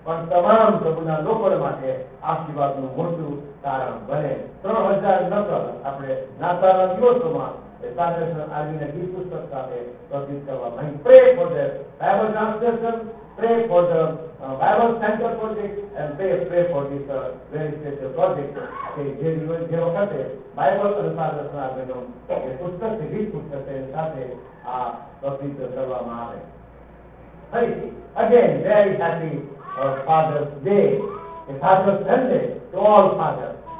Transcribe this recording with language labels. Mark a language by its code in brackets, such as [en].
[gu] તમામ સભના લોકો માટે આશીર્વાદ નું મોટું કારણ બને. 3,000 નકલ આપણે નાતાલના દિવસોમાં સાંજસર આર્મીને ગીત પુસ્તક સાથે પ્રસિદ્ધ કરવા માંગીએ. [en] Pray for the Bible Center project and pray for this very special project. [gu] કે જે દિવસ જે વખતે બાઇબલ અને સાધના આગળનો એ પુસ્તક છે, ગીત પુસ્તક છે સાથે આ પ્રસિદ્ધ કરવામાં આવે. [en] Again, very happy Father's Day. The Father's Sunday to all fathers.